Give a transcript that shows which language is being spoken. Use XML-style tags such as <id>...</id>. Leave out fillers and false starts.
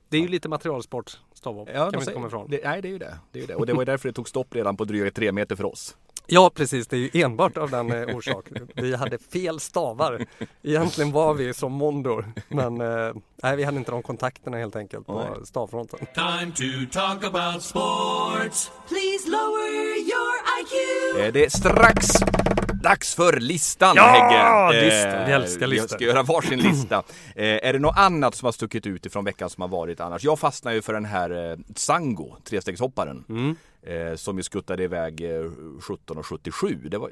<sv>Det är ju lite materialsport, stavhopp. Ja, kan vi inte komma ifrån. Det är ju det. Och det var ju därför det tog stopp redan på dryga 3 meter för oss. Ja, precis. Det är ju enbart av den orsaken. Vi hade fel stavar. Egentligen var vi som Mondor. Men vi hade inte de kontakterna helt enkelt på stavfronten.</sv> <en>Time to talk about sports. Please lower your IQ.</en> <sv>Det är strax dags för listan, Hägge. Ja, listan. Vi älskar listan. Jag ska göra varsin lista. Är det något annat som har stuckit ut ifrån veckan som har varit annars? Jag fastnar ju för den här Tsango, trestegshopparen. Mm. Som ju skuttade iväg 17,77.</sv>